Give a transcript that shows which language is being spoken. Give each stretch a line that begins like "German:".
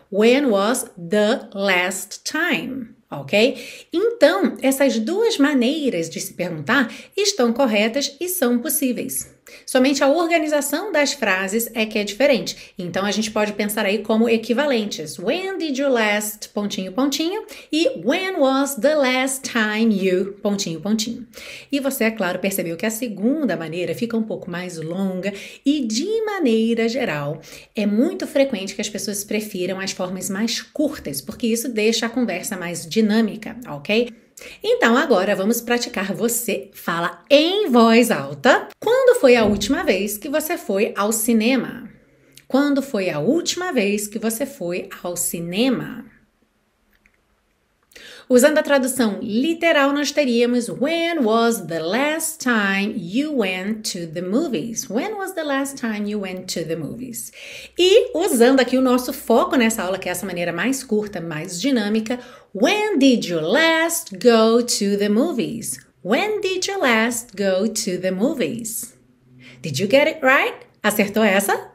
English: When was the last time? Ok?
Portuguese: Então, essas duas maneiras de se perguntar estão corretas e são possíveis. Somente a organização das frases é que é diferente. Então, a gente pode pensar aí como equivalentes.
English: When did you last,
Portuguese: pontinho, pontinho, e
English: when was the last time you,
Portuguese: pontinho, pontinho. E você, é claro, percebeu que a segunda maneira fica um pouco mais longa e, de maneira geral, é muito frequente que as pessoas prefiram as formas mais curtas, porque isso deixa a conversa mais dinâmica, ok? Então, agora vamos praticar. Você fala em voz alta. Quando foi a última vez que você foi ao cinema? Quando foi a última vez que você foi ao cinema? Usando a tradução literal, nós teríamos
English: When was the last time you went to the movies? When was the last time you went to the movies?
Portuguese: E usando aqui o nosso foco nessa aula, que é essa maneira mais curta, mais dinâmica,
English: When did you last go to the movies? When did you last go to the movies? Did you get it right?
Portuguese: Acertou essa?